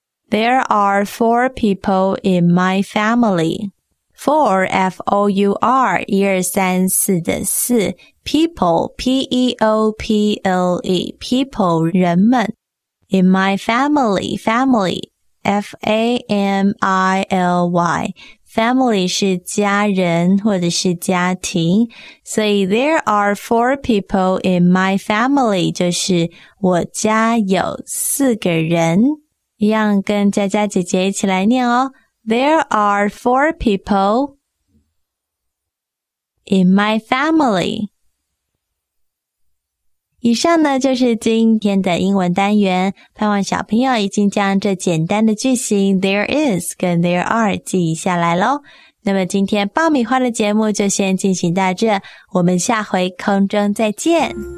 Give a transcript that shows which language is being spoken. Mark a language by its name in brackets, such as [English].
[English] There are four people in my family. Four, F-O-U-R, [Chinese] 一二三四的四 [English] People, P-E-O-P-L-E, people, [Chinese] 人们 [English] In my family, family. [Chinese] F-A-M-I-L-Y Family 是家人或者是家庭，所以 [English] There are four people in my family [Chinese] 就是我家有四个人。一样跟佳佳姐姐一起来念哦。 [English] There are four people in my family。 [Chinese] 以上呢就是今天的英文单元，盼望小朋友已经将这简单的句型 there is 跟 there are 记下来咯。那么今天爆米花的节目就先进行到这，我们下回空中再见。